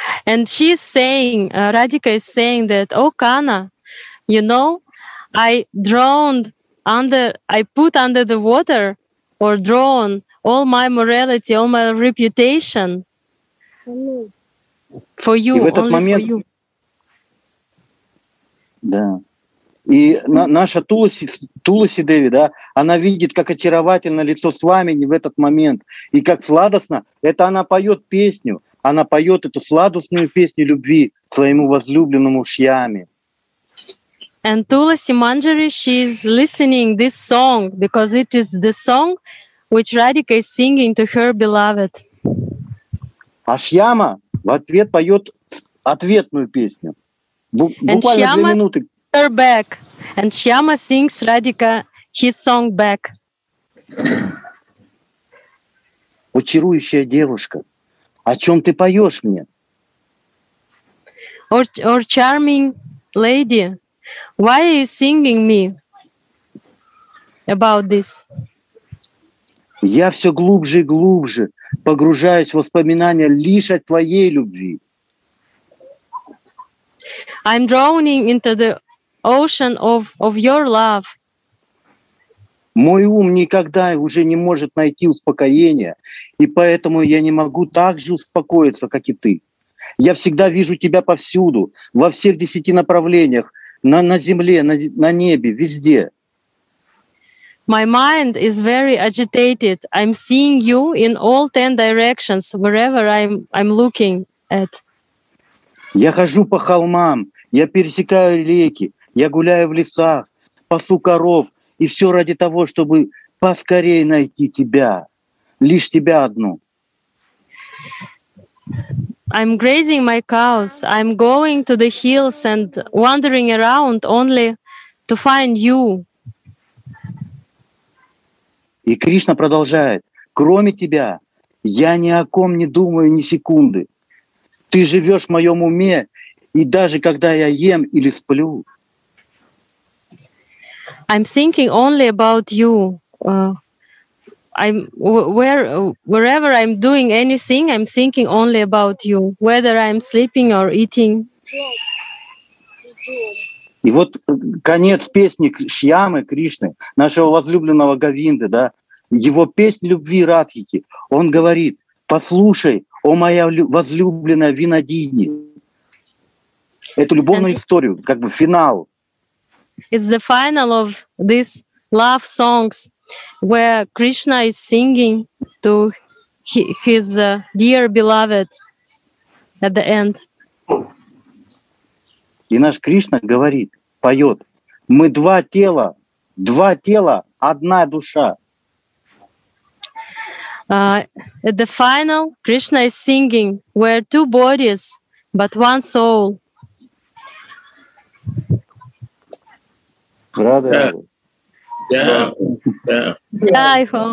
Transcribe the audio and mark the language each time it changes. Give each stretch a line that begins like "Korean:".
English: And she's saying, Radhika is saying that, oh, Kana, you know, I drowned under, I put under the water or drown all my morality, all my reputation for you, only
Russian: момент,
English: for you.
Russian: Да. И наша Туласи Деви, да, она видит, как очаровательно лицо Свамини в этот момент, и как сладостно, это она поет песню, она поет эту сладостную песню любви своему возлюбленному Шьяме.
English: And Tulasi Manjari, she is listening this song, because it is the song which Radhika is singing to her beloved.
Russian: А Шьяма в ответ поет ответную песню. Буквально две минуты.
English: Her back. And Shyama sings Radhika his song back.
Russian: Очарующая девушка, о чем ты поешь мне?
English: Or charming lady, why are you singing me about this?
Russian: Я все глубже и глубже погружаюсь в воспоминания лишь о твоей любви.
English: I'm drowning into the ocean of your love.
Russian: Мой ум никогда уже не может найти успокоения, и поэтому я не могу так же успокоиться, как и ты. Я всегда вижу тебя повсюду, во всех 10 направлениях, на земле, на небе, везде.
English: My mind is very agitated. I'm seeing you in all 10 directions, wherever I'm looking at.
Russian: Я хожу по холмам, я пересекаю реки, я гуляю в лесах, пасу коров, и все ради того, чтобы поскорее найти тебя, лишь тебя одну.
English: I'm grazing my cows, I'm going to the hills and wandering around only to find you.
Russian: И Кришна продолжает: кроме тебя я ни о ком не думаю ни секунды. Ты живешь в моем уме, и даже когда я ем или сплю.
English: I'm thinking only about you. Wherever I'm doing anything, I'm thinking only about you, whether I'm sleeping or eating.
Russian: И вот конец песни Шьямы Кришны, нашего возлюбленного Говинды, да, его песнь любви Радхики. Он говорит: послушай, о моя возлюбленная Винодини, эту любовную историю, как бы финал.
English: It's the final of these love songs, where Krishna is singing to his dear beloved at the end.
Russian: И наш Кришна говорит, поет: мы два тела, одна душа.
English: At the final, Krishna is singing, we're two bodies, but one soul. Radha. Yeah. Yeah. Yeah. Yeah.